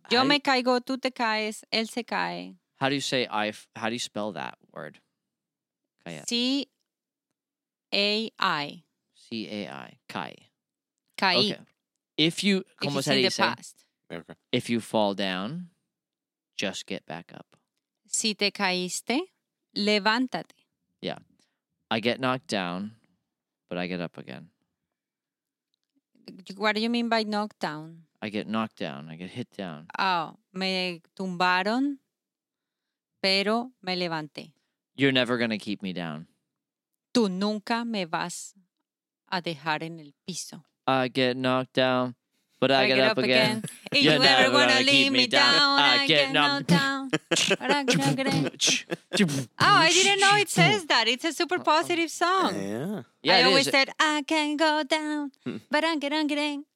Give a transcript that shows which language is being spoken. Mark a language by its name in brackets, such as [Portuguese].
[Spanish] Yo me caigo, tú te caes, él se cae. [English] How do you say how do you spell that word? C-A-I. C-A-I. Cai. Cai. Okay. If you, [Spanish] como se dice? Past. [English] If you fall down, just get back up. [Spanish] Si te caíste, levántate. [English] Yeah. I get knocked down, but I get up again. What do you mean by knocked down? I get knocked down. I get hit down. [Spanish] Oh, me tumbaron, pero me levanté. [English] You're never going to keep me down. [Spanish] Tú nunca me vas a dejar en el piso. [English] I get knocked down, but I get up again. And you're never going to leave me down. I get knocked down. Oh, I didn't know it says that. It's a super positive song. Yeah. I always said, I can go down, but I'm going to get down.